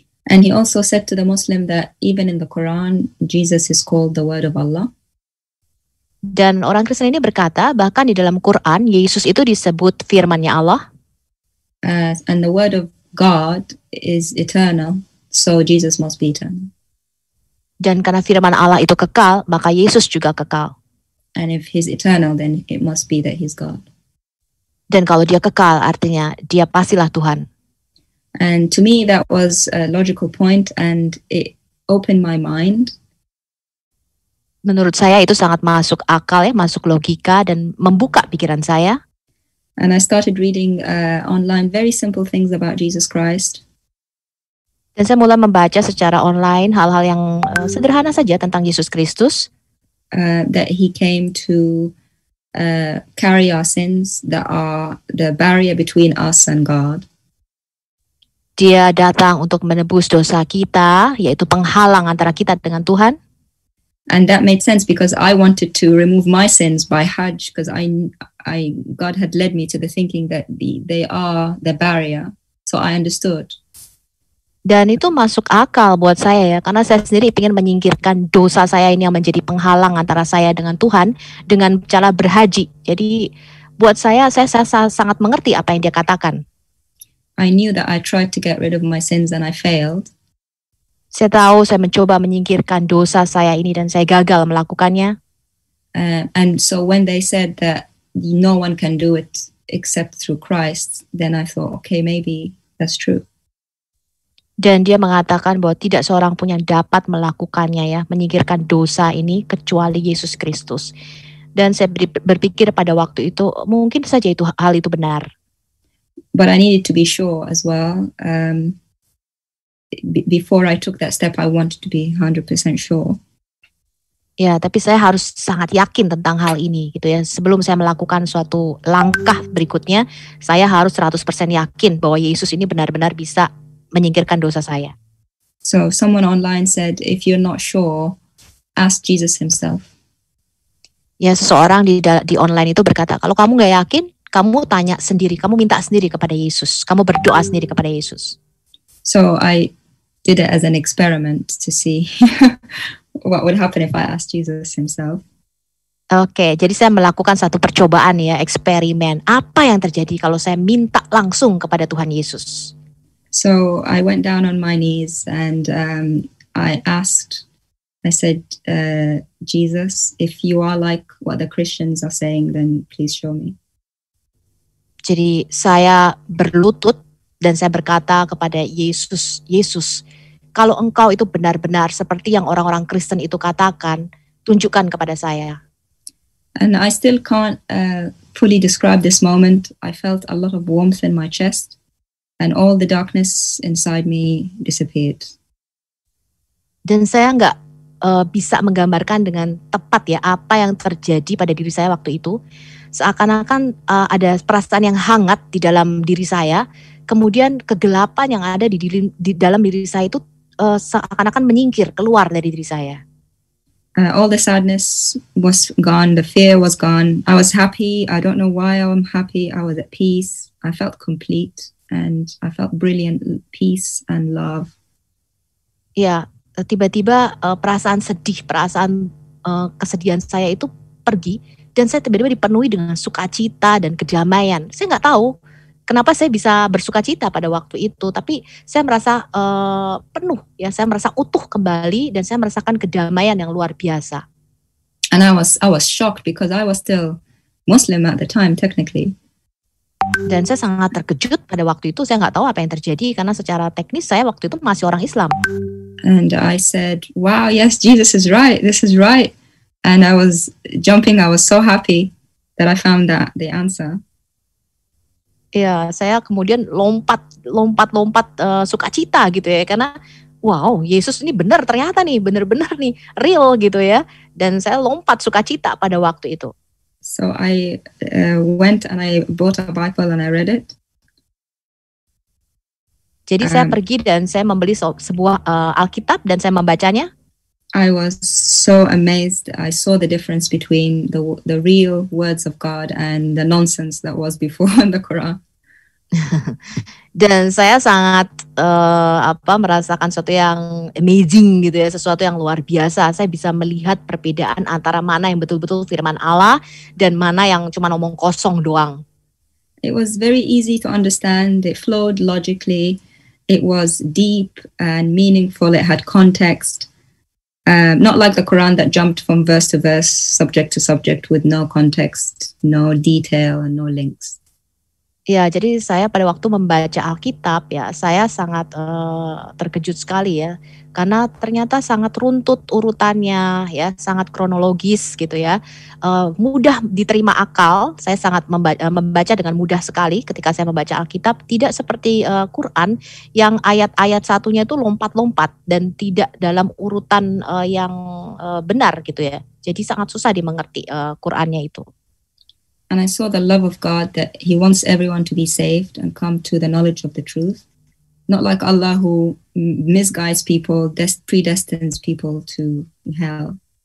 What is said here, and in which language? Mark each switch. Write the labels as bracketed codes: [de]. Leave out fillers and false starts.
[en] And he also said to the Muslim that even in the Quran, Jesus is called the word of Allah. [id] Dan orang Kristen ini berkata, bahkan di dalam Quran, Yesus itu disebut firmannya Allah. [en] And the word of God is eternal, so Jesus must be eternal. [id] Dan karena firman Allah itu kekal, maka Yesus juga kekal. [en] And if he's eternal, then it must be that he's God. [id] Dan kalau dia kekal, artinya dia pastilah Tuhan. [en] And to me, that was a logical point, and it opened my mind. [id] Menurut saya itu sangat masuk akal ya, masuk logika dan membuka pikiran saya. [en] And I started reading online very simple things about Jesus Christ. [id] Dan saya mulai membaca secara online hal-hal yang sederhana saja tentang Yesus Kristus. [en] That he came to carry our sins, that are the barrier between us and God. [id] Dia datang untuk menebus dosa kita, yaitu penghalang antara kita dengan Tuhan. [en] And that made sense because I wanted to remove my sins by Hajj, because I God had led me to the thinking that they are the barrier, so I understood. [id] Dan itu masuk akal buat saya ya, karena saya sendiri ingin menyingkirkan dosa saya ini yang menjadi penghalang antara saya dengan Tuhan dengan cara berhaji. Jadi buat saya sangat mengerti apa yang dia katakan. [en] I knew that I tried to get rid of my sins and I failed. [id] Saya tahu saya mencoba menyingkirkan dosa saya ini dan saya gagal melakukannya. [en] And so when they said that no one can do it except through Christ, then I thought, okay, maybe that's true. [id] Dan dia mengatakan bahwa tidak seorang pun yang dapat melakukannya ya, menyingkirkan dosa ini kecuali Yesus Kristus. Dan saya berpikir pada waktu itu, mungkin saja itu hal itu benar. [en] But I needed to be sure as well. Before I took that step, I wanted to be 100% sure. [id] Ya, tapi saya harus sangat yakin tentang hal ini, gitu ya. Sebelum saya melakukan suatu langkah berikutnya, saya harus 100% yakin bahwa Yesus ini benar-benar bisa menyingkirkan dosa saya. [en] So, someone online said, if you're not sure, ask Jesus himself. [id] Ya, seseorang di online itu berkata, kalau kamu nggak yakin, kamu tanya sendiri, kamu minta sendiri kepada Yesus, kamu berdoa sendiri kepada Yesus. [en] So I did it as an experiment to see what would happen if I asked Jesus himself. [id] Okay, jadi saya melakukan satu percobaan ya, eksperimen. Apa yang terjadi kalau saya minta langsung kepada Tuhan Yesus? [en] So I went down on my knees and I asked, I said, Jesus, if you are like what the Christians are saying, then please show me. [id] Jadi saya berlutut. Dan saya berkata kepada Yesus, Yesus, kalau engkau itu benar-benar seperti yang orang-orang Kristen itu katakan, tunjukkan kepada saya. [en] And I still can't fully describe this moment. I felt a lot of warmth in my chest and all the darkness inside me disappeared. [id] Dan saya enggak bisa menggambarkan dengan tepat ya apa yang terjadi pada diri saya waktu itu. Seakan-akan ada perasaan yang hangat di dalam diri saya. Kemudian kegelapan yang ada di dalam diri saya itu seakan-akan menyingkir keluar dari diri saya. [en] All the sadness was gone, the fear was gone. I was happy. I don't know why I'm happy. I was at peace. I felt complete and I felt brilliant peace and love. [id] Ya, tiba-tiba perasaan sedih, perasaan kesedihan saya itu pergi dan saya tiba-tiba dipenuhi dengan sukacita dan kedamaian. Saya nggak tahu kenapa saya bisa bersukacita pada waktu itu, tapi saya merasa penuh, ya, saya merasa utuh kembali dan saya merasakan kedamaian yang luar biasa. [en] And I was shocked because I was still Muslim at the time technically. [id] Dan saya sangat terkejut pada waktu itu, saya nggak tahu apa yang terjadi karena secara teknis saya waktu itu masih orang Islam. [en] And I said, wow, yes, Jesus is right, this is right. And I was jumping, I was so happy that I found that the answer. [id] Ya, saya kemudian lompat-lompat sukacita gitu ya, karena wow, Yesus ini benar ternyata nih, benar-benar nih, real gitu ya. Dan saya lompat sukacita pada waktu itu. [en] So I went and I bought a Bible and I read it. [id] Jadi saya pergi dan saya membeli sebuah Alkitab dan saya membacanya. [en] I was so amazed. I saw the difference between the real words of God and the nonsense that was before in the Quran. [id] Dan saya sangat merasakan sesuatu yang amazing gitu ya, sesuatu yang luar biasa. Saya bisa melihat perbedaan antara mana yang betul-betul firman Allah dan mana yang cuma omong kosong doang. [en] It was very easy to understand. It flowed logically. It was deep and meaningful. It had context. Not like the Quran that jumped from verse to verse, subject to subject with no context, no detail and no links. [id] Ya, jadi saya pada waktu membaca Alkitab ya, saya sangat terkejut sekali ya, karena ternyata sangat runtut urutannya ya, sangat kronologis gitu ya, mudah diterima akal. Saya sangat membaca dengan mudah sekali ketika saya membaca Alkitab, tidak seperti Quran yang ayat-ayat satunya itu lompat-lompat dan tidak dalam urutan yang benar gitu ya. Jadi sangat susah dimengerti Qurannya itu. [en] And I saw the love of God, that He wants everyone to be saved and come to the knowledge of the truth. Not like Allah who misguides people, predestines people to hell.